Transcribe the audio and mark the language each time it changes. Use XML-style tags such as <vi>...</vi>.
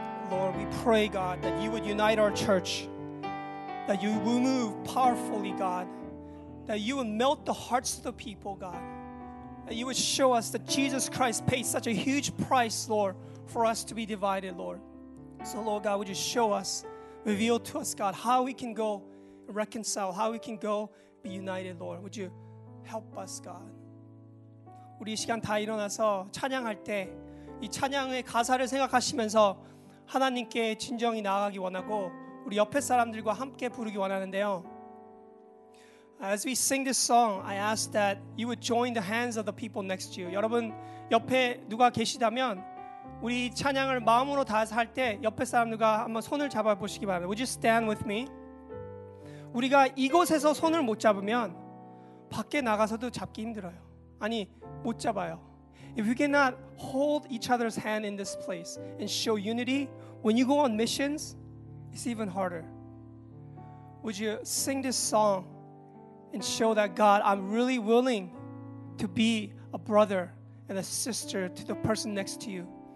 <en>Lord, we pray, God, that you would unite our church, that you would move powerfully, God, that you would melt the hearts of the people, God, that you would show us that Jesus Christ paid such a huge price, Lord, for us to be divided, Lord. So, Lord God, would you show us, reveal to us, God, how we can go reconcile, how we can go be united, Lord. Would you help us, God?</en> <ko>우리 시간 다 일어나서 찬양할 때 이 찬양의 가사를 생각하시면서 하나님께 진정히 나아가기 원하고 우리 옆에 사람들과 함께 부르기 원하는데요.</ko> <en>As we sing this song, I ask that you would join the hands of the people next to you.</en> <ko>여러분 옆에 누가 계시다면 우리 찬양을 마음으로 다해서 할 때 옆에 사람들과 한번 손을 잡아보시기 바랍니다.</ko> <en>Would you stand with me?</en> <ko>우리가 이곳에서 손을 못 잡으면 밖에 나가서도 잡기 힘들어요. 아니, 못 잡아요.</ko> <en>If we cannot hold each other's hand in this place and show unity, when you go on missions, it's even harder. Would you sing this song and show that God, I'm really willing to be a brother and a sister to the person next to you.</en>